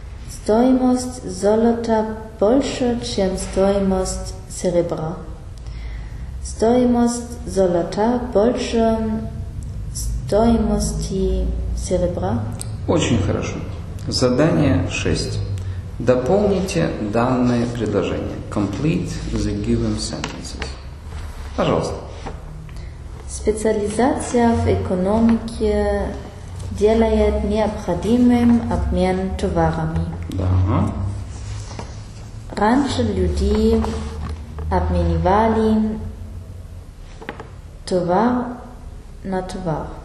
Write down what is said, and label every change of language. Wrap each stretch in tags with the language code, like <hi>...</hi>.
<ru>Стоимость золота больше, чем стоимость серебра. Стоимость золота больше стоимости серебра. Очень хорошо. Задание 6. Дополните данное предложение.</ru> <en>Complete the given sentences.</en> <ru>Пожалуйста. Специализация в экономике делает необходимым обмен товарами. Да. Раньше люди обменивали товар на товар.</ru>